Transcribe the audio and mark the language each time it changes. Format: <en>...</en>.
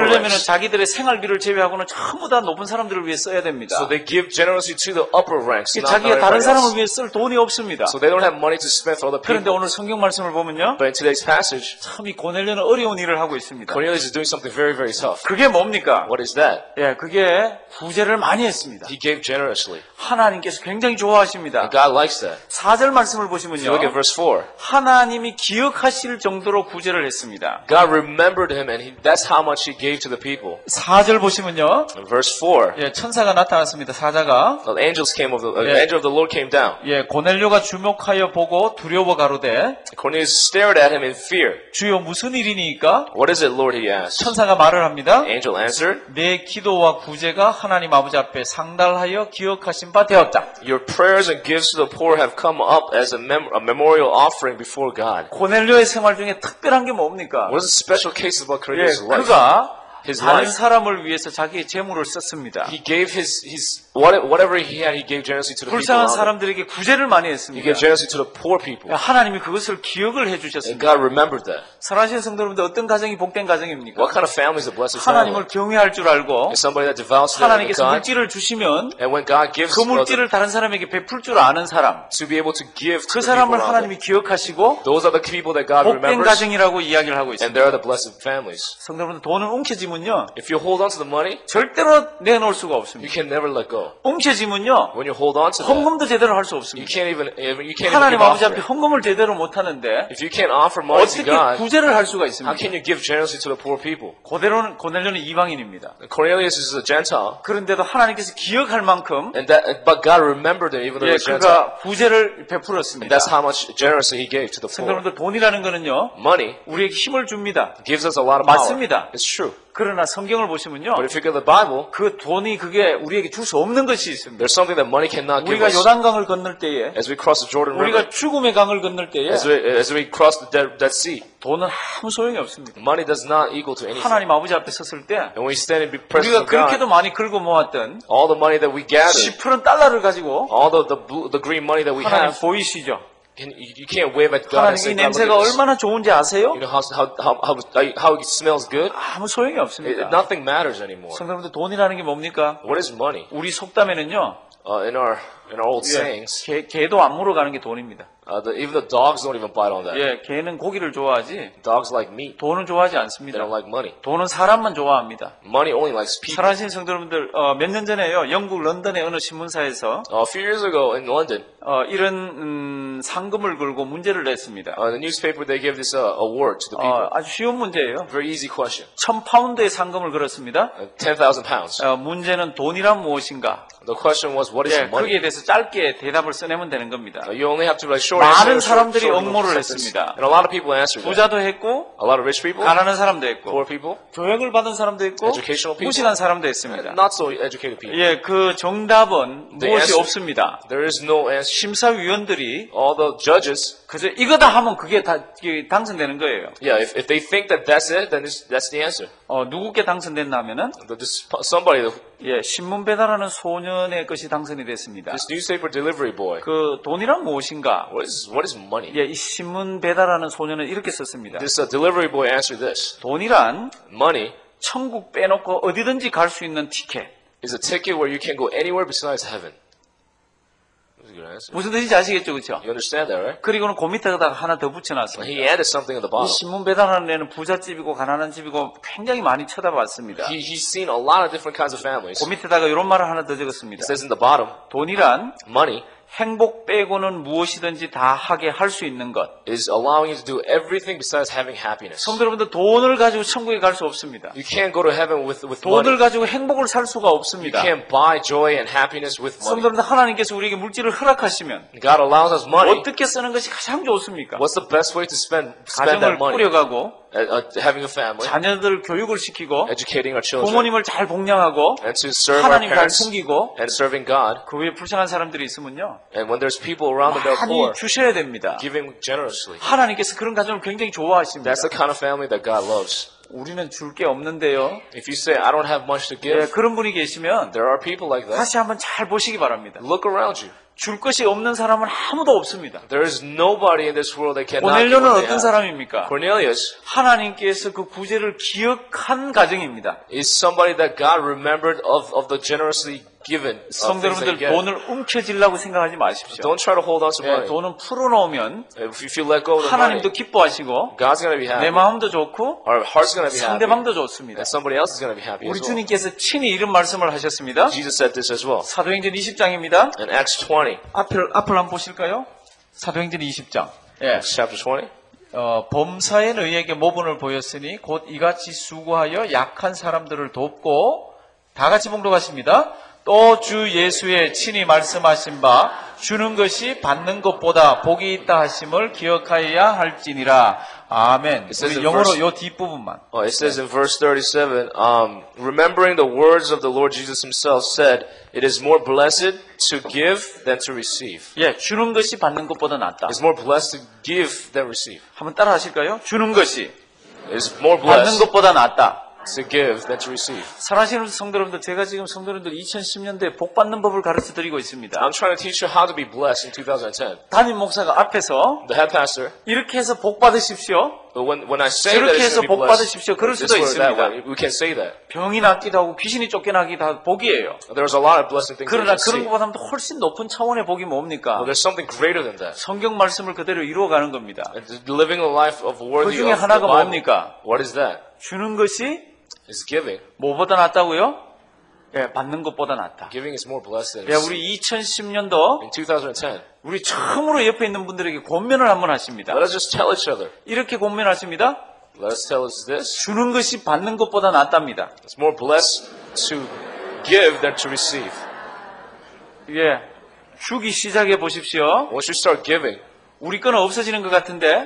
<ko>그러려면 자기들의 생활비를 제외하고는 전부 다 높은 사람들을 위해 써야 됩니다.</ko> <en>So they give generously to the upper ranks.</en> <ko>자기가 다른 사람을 위해 쓸 돈이 없습니다.</ko> <en>So they don't have money to spend for other people.</en> <ko>그런데 오늘 성경 말씀을 보면요.</ko> <en>But in today's passage,</en> <ko>참 이 고넬료는 어려운 일을 하고 있습니다.</ko> <en>Cornelius is doing something very, very tough.</en> <ko>그게 뭡니까?</ko> <en>What is that?</en> <ko>예, 그게 구제를 많이 했습니다.</ko> <en>He gave generously.</en> <ko>하나님께서 굉장히 좋아하십니다.</ko> <en>And God likes that.</en> <ko>4절 말씀을 보시면요.</ko> <en>Look at verse 4.</en> <ko>하나님이 기억하실 정도로 구제를 했습니다.</ko> <en>God remembered him and that's how much he gave to the people.</en> <ko>4절 보시면요.</ko> <en>Verse 4.</en> <ko>예, 천사가 나타났습니다. 사자가</ko> <en>angel of the Lord came down.</en> <ko>예, 고넬료가 주목하여 보고 두려워 가로되.</ko> <en>Cornelius stared at him in fear.</en> <ko>주여 무슨 일이니까?</ko> <en>What is it, Lord? He asked.</en> <ko>천사가 말을 합니다.</ko> <en>Angel answered.</en> <ko>내 기도와 구제가 하나님 아버지 앞에 상달하여 기억하신 바 되었다.</ko> <en>Your prayers and gifts to the poor have come up as a memorial offering before God.</en> <ko>고넬료의 생활 중에 특별한 게 뭡니까?</ko> <en>What is a special case about Cornelius' life?</en> <ko>그가 다른 사람을 위해서 자기의 재물을 썼습니다.</ko> <en>He gave his whatever he had, he gave generously to the poor.</en> <ko>불쌍한 사람들에게 구제를 많이 했습니다.</ko> <en>He gave generously to the poor people.</en> <ko>하나님이 그것을 기억을 해주셨습니다.</ko> <en>And God remembered that.</en> <ko>사랑하는 성도 여러분들, 어떤 가정이 복된 가정입니까?</ko> <en>What kind of family is a blessed family?</en> <ko>하나님을 경외할 줄 알고.</ko> <en>Is somebody that devours the Lord.</en> <ko>하나님께서 물질을 주시면.</ko> <en>And when God gives,</en> <ko>그 물질을 다른 사람에게 베풀 줄 아는 사람.</ko> <en>To be able to give.</en> <ko>그 사람을 하나님이 기억하시고.</ko> <en>Those are the people that God remembers.</en> <ko>복된 가정이라고 이야기를 하고 있습니다.</ko> <en>And they are the blessed families.</en> <ko>성도 여러분들, 돈은 움켜쥐</ko> <en>If you hold on to the money,</en> <ko>절대로 내놓을 수가 없습니다.</ko> <en>You can never let go.</en> <ko>움켜지면요.</ko> <en>When you hold on to that,</en> <ko>헌금도 제대로 할 수 없습니다.</ko> <en>You can't even</en> <ko>하나님 아버지 앞에 헌금을 제대로 못 하는데.</ko> <en>If you can't offer money to God,</en> <ko>어떻게 구제를 할 수가 있습니까?</ko> <en>How can you give generously to the poor people?</en> <ko>고넬료는 이방인입니다.</ko> <en>Cornelius is a Gentile.</en> <ko>그런데도 하나님께서 기억할 만큼.</ko> <en>And that, but God remembered him even though he was Gentile.</en> <ko>그가 구제를 베풀었습니다.</ko> <en>That's how much generously he gave to the poor.</en> <ko>그런데 돈이라는 것은요.</ko> <en>Money</en> <ko>우리에게 힘을 줍니다.</ko> <en>Gives us a lot of power.</en> <ko>맞습니다.</ko> <en>It's true.</en> <ko>그러나 성경을 보시면요.</ko> <en>But if you look at the Bible,</en> <ko>그 돈이 그게 우리에게 줄 수 없는 것이 있습니다.</ko> <en>There's something that money cannot give us.</en> <ko>우리가 요단강을 건널 때에,</ko> <en>as we cross the Jordan River,</en> <ko>우리가 죽음의 강을 건널 때에,</ko> <en>as we cross the Dead Sea,</en> <ko>돈은 아무 소용이 없습니다.</ko> <en>Money does not equal to anything.</en> <ko>하나님 아버지 앞에 섰을 때,</ko> <en>and we stand in the presence of God,</en> <ko>우리가 그렇게도 많이 긁어 모았던,</ko> <en>all the money that we gathered,</en> <ko>10% $를 가지고,</ko> <en>all the green money that we have,</en> <ko>하나님 보이시죠?</ko> <en>You can't wave at God.</en> <ko>하나님 이 냄새가 얼마나 좋은지 아세요?</ko> <en>You know how it smells good.</en> <ko>아무 소용이 없습니다.</ko> <en>Nothing matters anymore.</en> <ko>성도님들 돈이라는 게 뭡니까?</ko> <en>What is money?</en> <ko>우리 속담에는요.</ko> <en>In our old sayings.</en> <ko>개도 안 물어가는 게 돈입니다.</ko> <en>Even the dogs don't even bite on that.</en> <ko>예, 개는 고기를 좋아하지.</ko> <en>Dogs like meat.</en> <ko>돈은 좋아하지 않습니다.</ko> <en>They don't like money.</en> <ko>돈은 사람만 좋아합니다.</ko> <en>Money only likes people.</en> <ko>사랑하는 성도님들 몇 년 전에요 영국 런던의 어느 신문사에서.</ko> <en>A few years ago in London.</en> <ko>이런 상금을 걸고 문제를 냈습니다.</ko> <en>The newspaper they gave this award to the people.</en> <ko>아주 쉬운 문제예요.</ko> <en>Very easy question.</en> <ko>1,000파운드의 상금을 걸었습니다.</ko> <en>10,000 pounds.</en> <ko>문제는 돈이란 무엇인가?</ko> <en>The question was what is money?</en> <ko>거기에 대해서 짧게 대답을 써내면 되는 겁니다.</ko> <en>You only have to write</en> <ko>short 많은 사람들이 응모를 했습니다.</ko> <en>And a lot of people answered.</en> <ko>부자도 했고,</ko> <en>a lot of rich people.</en> <ko>가난한 사람도 했고,</ko> <en>poor people.</en> <ko>교양을 받은 사람도 했고,</ko> <en>educational people.</en> <ko>무식한 사람도 했습니다.</ko> <en>Not so educated people.</en> <ko>예, 그 정답은 the 무엇이 answer, 없습니다.</ko> <en>There is no answer.</en> <ko>심사위원들이</ko> <en>all the judges.</en> <ko>그래서 이거다 하면 그게 다 당선되는 거예요.</ko> <en>Yeah, if they think that that's it, then that's the answer.</en> <ko>어, 누구께 당선됐나 하면은</ko> <en>somebody.</en> <ko>예, 신문 배달하는 소년의 것이 당선이 됐습니다.</ko> <en>This newspaper delivery boy.</en> <ko>그 돈이란 무엇인가?</ko> <en>What is money?</en> <ko>예, 이 신문 배달하는 소년은 이렇게 썼습니다.</ko> <en>This delivery boy answered this.</en> <ko>돈이란</ko> <en>money.</en> <ko>천국 빼놓고 어디든지 갈 수 있는 티켓.</ko> <en>Is a ticket where you can go anywhere besides heaven. That's a good answer.</en> <ko>무슨 뜻인지 아시겠죠, 그렇죠?</ko> <en>You understand that, right?</en> <ko>그리고는 그 밑에다가 하나 더 붙여놨습니다.</ko> <en>He added something at the bottom.</en> <ko>이 신문 배달하는 애는 부자 집이고 가난한 집이고 굉장히 많이 쳐다봤습니다.</ko> <en>He's seen a lot of different kinds of families.</en> <ko>그 밑에다가 이런 말을 하나 더 적었습니다.</ko> <en>It says in the bottom.</en> <ko>돈이란</ko> <en>money.</en> <ko>행복 빼고는 무엇이든지 다 하게 할 수 있는 것.</ko> <en>Is allowing you to do everything besides having happiness.</en> <ko>성도 여러분들 돈을 가지고 천국에 갈 수 없습니다.</ko> <en>You can't go to heaven with</en> <ko>돈을</ko> <en>money.</en> <ko>가지고 행복을 살 수가 없습니다.</ko> <en>You can't buy joy and happiness with money.</en> <ko>성도 여러분들 하나님께서 우리에게 물질을 허락하시면</ko> <en>God allows us money.</en> <ko>어떻게 쓰는 것이 가장 좋습니까?</ko> <en>What's the best way to spend</en> <ko>가정을</ko> <en>that money?</en> <ko>꾸려가고</ko> <en>having a family,</en> <ko>자녀들 교육을 시키고</ko> <en>educating our children,</en> <ko>부모님을 잘 복양하고</ko> <en>and to serve</en> <ko>하나님</ko> <en>our parents,</en> <ko>잘 섬기고</ko> <en>and serving God,</en> <ko>그 위에 불쌍한 사람들이 있으면요</ko> <en>and when there's people around them,</en> <ko>많이</ko> <en>poor,</en> <ko>주셔야 됩니다.</ko> <en>Giving generously.</en> <ko>하나님께서 그런 가정을 굉장히 좋아하십니다.</ko> <en>That's the kind of family that God loves.</en> <ko>우리는 줄 게 없는데요.</ko> <en>If you say I don't have much to give,</en> <ko>예, 그런 분이 계시면</ko> <en>there are people like that.</en> <ko>다시 한번 잘 보시기 바랍니다.</ko> <en>Look around you.</en> <ko>줄 것이 없는 사람은 아무도 없습니다.</ko> <en>There is nobody in this world that cannot.</en> <ko>고넬료는 어떤 사람입니까?</ko> <en>Cornelius.</en> <ko>하나님께서 그 구제를 기억한 가정입니다.</ko> <en>Is somebody that God remembered of the generously given.</en> <ko>성도 여러분들 돈을 움켜쥐려고 생각하지 마십시오.</ko> <en>Don't try to hold on to money.</en> <ko>돈은 풀어놓으면</ko> <en>if you let go of the</en> <ko>하나님도</ko> <en>money,</en> <ko>기뻐하시고</ko> <en>God's gonna be happy.</en> <ko>내 마음도 좋고</ko> <en>our heart's gonna be happy.</en> <ko>상대방도 좋습니다.</ko> <en>And somebody else is gonna be happy.</en> <ko>우리 주님께서 친히 이런 말씀을 하셨습니다.</ko> <en>Jesus said this as well.</en> <ko>사도행전 20장입니다.</ko> <en>In Acts 20.</en> <ko>앞을 한번 보실까요? 사도행전 20장.</ko> <en>Acts chapter 20.</en> <ko>범사의 너희에게 모분을 보였으니 곧 이같이 수고하여 약한 사람들을 돕고 다 같이 봉독하십니다. 또 주 예수의 친히 말씀하신 바 주는 것이 받는 것보다 복이 있다 하심을 기억하여야 할지니라. 아멘. 우리 영어로 요 뒷부분만.</ko> <en>It says in verse 37, remembering the words of the Lord Jesus himself said, it is more blessed to give than to receive.</en> <ko>예, 주는 것이 받는 것보다 낫다.</ko> <en>It's more blessed to give than receive.</en> <ko>한번 따라 하실까요? 주는 것이</ko> <en>is more blessed</en> <ko>받는 것보다 낫다.</ko> <en>To give than to receive.</en> <ko>사랑하시는 성도 여러분들, 제가 지금 성도 여러분들 2010년대 복 받는 법을 가르쳐 드리고 있습니다.</ko> <en>I'm trying to teach you how to be blessed in 2010.</en> <ko>담임 목사가 앞에서</ko> <en>the head pastor</en> <ko>이렇게 해서 복 받으십시오.</ko> <en>But when I say</en> <ko>이렇게</ko> <en>that</en> <ko>해서 복 받으십시오. 그럴 수도 있습니다.</ko> <en>Way, we can say that.</en> <ko>병이 낫기도 하고 귀신이 쫓겨나기도 하고 복이에요.</ko> <en>There's a lot of blessing things.</en> <ko>그러나 그런 것보다도 훨씬 높은 차원의 복이 뭡니까?</ko> <en>Well, there's something greater than that.</en> <ko>성경 말씀을 그대로 이루어 가는 겁니다.</ko> <en>Living a life of worthy.</en> <ko>그 중에 하나가 뭡니까?</ko> <en>What is that?</en> <ko>주는 것이</ko> <en>is giving.</en> <ko>뭐보다 낫다고요? 예, 받는 것보다 낫다.</ko> <en>Giving is more blessed than.</en> <ko>예, 우리 2010년도</ko> <en>in 2010.</en> <ko>우리 처음으로 옆에 있는 분들에게 권면을 한번 하십니다.</ko> <en>Let us just tell each other.</en> <ko>이렇게 권면하십니다.</ko> <en>Let us tell us this.</en> <ko>주는 것이 받는 것보다 낫답니다.</ko> <en>It's more blessed to give than to receive.</en> <ko>예, 주기 시작해 보십시오.</ko> <en>Once you start giving.</en> <ko>우리 거는 없어지는 것 같은데</ko>